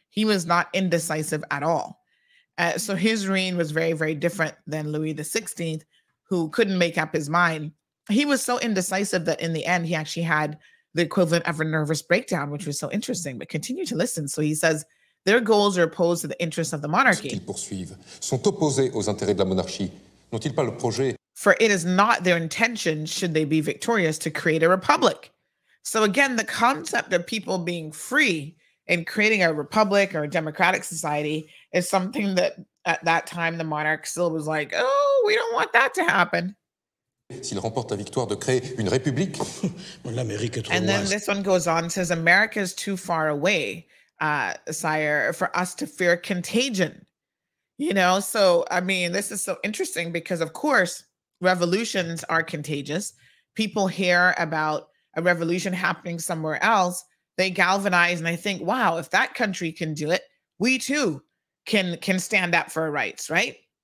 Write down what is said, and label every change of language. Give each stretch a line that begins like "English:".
English: He was not indecisive at all. So his reign was very, very different than Louis the 16th, who couldn't make up his mind. He was so indecisive that in the end, he actually had the equivalent of a nervous breakdown, which was so interesting. But continue to listen. So he says, their goals are opposed to the interests of the monarchy.
French: Ce qu'ils poursuivent sont opposés aux intérêts de la monarchie. N'ont-ils pas le projet?
English: For it is not their intention, should they be victorious, to create a republic. So again, the concept of people being free and creating a republic or a democratic society is something that at that time the monarch still was like, oh, we don't want that to happen.
French: S'il remporte la victoire de créer une république, l'Amérique est trop loin.
English: And then this one goes on, says, America is too far away, sire, for us to fear contagion. You know, so, I mean, this is so interesting because, of course, revolutions are contagious. People hear about a revolution happening somewhere else, they galvanize and they think, wow, if that country can do it, we too can stand up for our rights, right?